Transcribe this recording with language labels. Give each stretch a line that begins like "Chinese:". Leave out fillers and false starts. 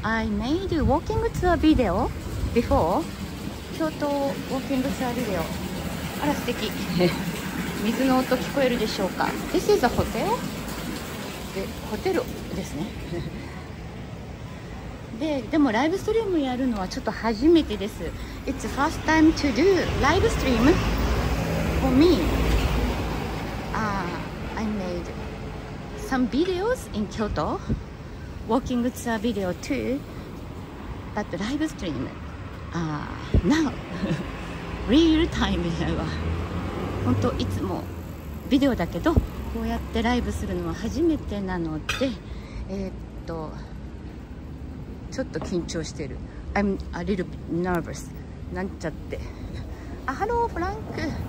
English: I made a walking tour video before
Japanese: 京都ウォーキングツアービデオ。あら、素敵。水の音聞こえるでしょうか。
English: This is a hotel
Japanese: で、ホテルですね。で、でもライブストリームやるのはちょっと初めてです。
English: It's the first time to do live stream for meSome videos in Kyoto, walking tour video too, but live stream. Now, real time.
Japanese: 本当いつもビデオだけど、こうやってライブするのは初めてなので、ちょっと緊張してる。
English: I'm a little bit nervous.
Japanese: なんちゃって。あ、ハローフランク。